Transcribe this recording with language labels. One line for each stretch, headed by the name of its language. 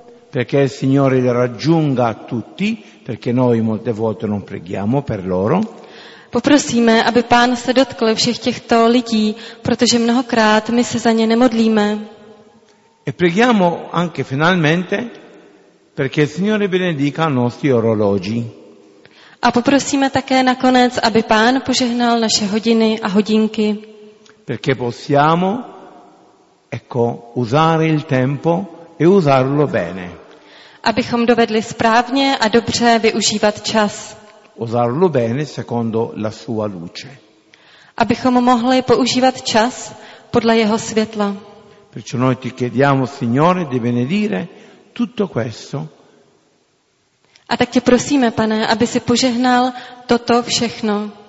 Italian: Perché il Signore raggiunga tutti, perché noi molte volte non preghiamo per loro.
Czech: Poprosíme, aby Pán se dotkl všech těchto lidí, protože mnohokrát my se za ně nemodlíme.
Italian: E preghiamo anche finalmente perché il Signore benedica i nostri orologi.
Czech: A poprosíme také nakonec, aby Pán požehnal naše hodiny a hodinky.
Italian: Perché possiamo ecco usare il tempo e usarlo bene.
Czech: Abychom dovedli správně a dobře využívat čas.
Italian: Usarlo bene secondo la sua luce.
Czech: Abychom mohli používat čas podle jeho světla.
Italian: Perciò noi ti chiediamo, Signore, di benedire tutto questo.
Czech: A tak tě prosíme, Pane, aby si požehnal toto všechno.